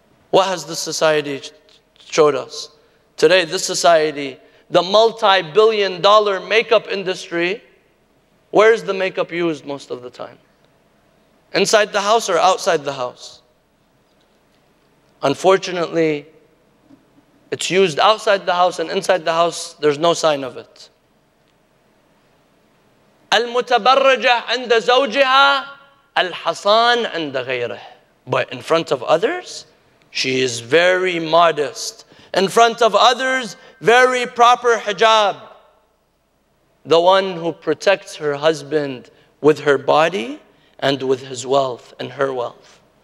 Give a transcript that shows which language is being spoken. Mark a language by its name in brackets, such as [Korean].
[English] What has the society showed us? Today, this society, the multi-billion dollar makeup industry, where is the makeup used most of the time? Inside the house or outside the house? Unfortunately, it's used outside the house, and inside the house, there's no sign of it. [Arabic] المتبرجه عند زوجها الحصان عند غيره. [English] But in front of others, she is very modest. In front of others, very proper hijab. The one who protects her husband with her body and with his wealth and her wealth.